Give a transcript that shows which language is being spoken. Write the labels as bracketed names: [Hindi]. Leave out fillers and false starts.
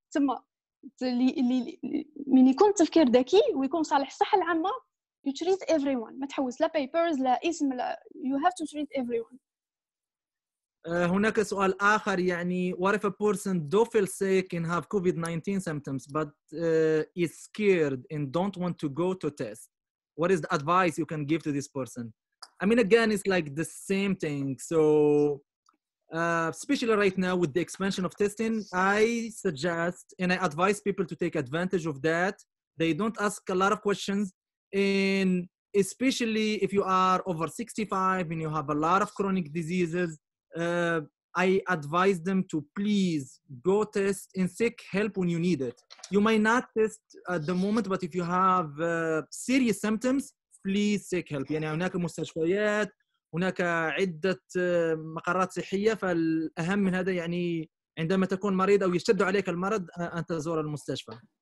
[Arabic] ثم اللي من يكون تفكير ذكي ويكون صالح الصحة العامة، [English] you treat everyone، [Arabic] ما تحوس لا papers لا اسم، لا [English] you have to treat everyone. [Arabic] هناك سؤال آخر يعني [English] what if a person do feel sick and have COVID-19 symptoms but is scared and don't want to go to test, what is the advice you can give to this person? I mean again it's like the same thing, so especially right now with the expansion of testing, I suggest and I advise people to take advantage of that. They don't ask a lot of questions, and especially if you are over 65 and you have a lot of chronic diseases, I advise them to please go test and seek help when you need it. You might not test at the moment, but if you have serious symptoms, please seek help. [Arabic] يعني هناك مستشفيات, هناك عدة مقرات صحية, فالأهم من هذا يعني عندما تكون مريض أو يشتد عليك المرض أن تزور المستشفى.